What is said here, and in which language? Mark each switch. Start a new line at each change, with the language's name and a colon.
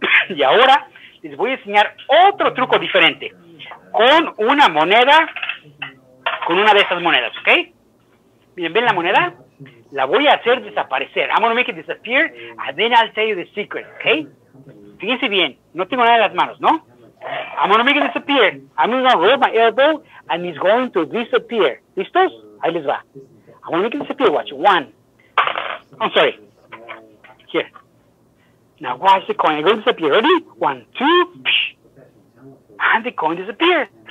Spanish: Y ahora les voy a enseñar otro truco diferente con una moneda, con una de esas monedas, ¿ok? Miren, ¿ven la moneda? La voy a hacer desaparecer.
English: I'm going to make it disappear, and then I'll tell you the secret, ¿ok?
Spanish: Fíjense bien, no tengo nada en las manos, ¿no?
English: I'm going to make it disappear. I'm going to roll my elbow, and it's going to disappear.
Spanish: ¿Listos? Ahí les va.
English: I'm going to make it disappear, watch. One. I'm sorry. Here. Now watch the coin. It's going to disappear. Ready? One, two, psh. And the coin disappeared.